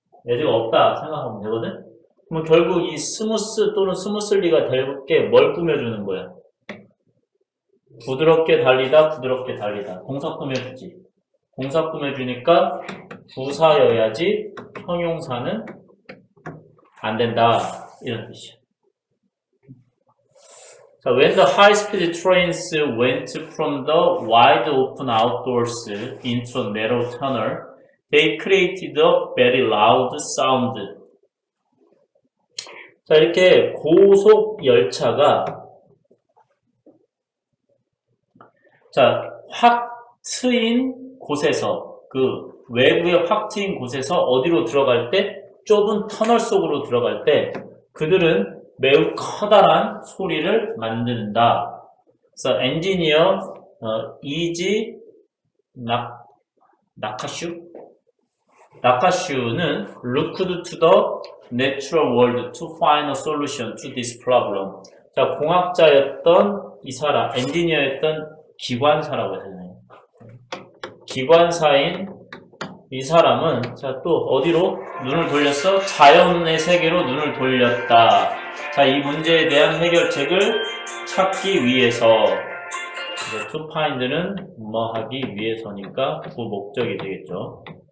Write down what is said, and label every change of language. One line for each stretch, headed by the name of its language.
Korean: as가 없다 생각하면 되거든? 그럼 결국 이 스무스 또는 스무슬리가 될게뭘 꾸며주는 거야? 부드럽게 달리다, 부드럽게 달리다. 동사 꾸며주지. 동사 꾸며주니까 부사여야지 형용사는 안 된다 이런 뜻이야.
English: 자, when the high speed trains went from the wide open outdoors into a narrow tunnel, they created a very loud sound.
Korean: 자, 이렇게 고속 열차가 자, 확 트인 곳에서, 그, 외부에 확 트인 곳에서 어디로 들어갈 때? 좁은 터널 속으로 들어갈 때, 그들은 매우 커다란 소리를 만든다.
English: So, engineer, easy, 나카슈는 looked to the natural world to find a solution to this problem.
Korean: 자, 공학자였던 이 사람, 엔지니어였던 기관사라고 해야 되나요? 기관사인 이 사람은 자또 어디로 눈을 돌렸어? 자연의 세계로 눈을 돌렸다. 자, 이 문제에 대한 해결책을 찾기 위해서 to find는 뭐 하기 위해서니까 구목적이 되겠죠.